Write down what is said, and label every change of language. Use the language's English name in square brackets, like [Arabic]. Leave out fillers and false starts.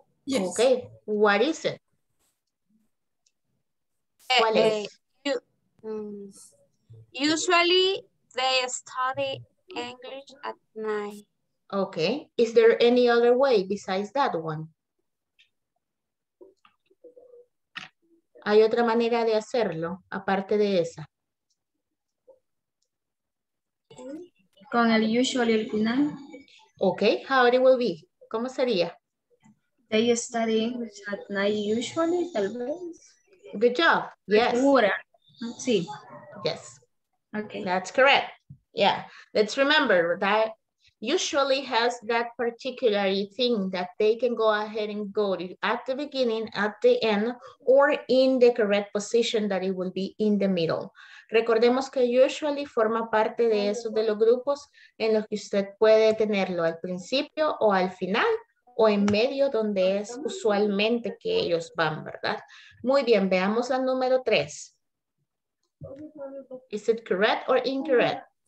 [English] Okay, what is it? [Spanish] ¿Cuál es? [English] Usually, they study English at night. Okay. Is there any other way besides that one? [Spanish] ¿Hay otra manera de hacerlo aparte de esa? Con el usually al final. [English] Okay. How it will be? [Spanish] ¿Cómo sería? [English] They study English at night usually, [Spanish] tal vez. [English] Good job. Yes. [Spanish] Segura. Sí. [English] Yes. Okay. That's correct. Yeah, let's remember that usually has that particular thing that they can go ahead and go to at the beginning, at the end, or in the correct position that it will be in the middle. [Spanish] Recordemos que usually forma parte de esos de los grupos en los que usted puede tenerlo al principio o al final o en medio donde es usualmente que ellos van, ¿verdad? Muy bien, veamos la número tres. [English] Is it correct or incorrect?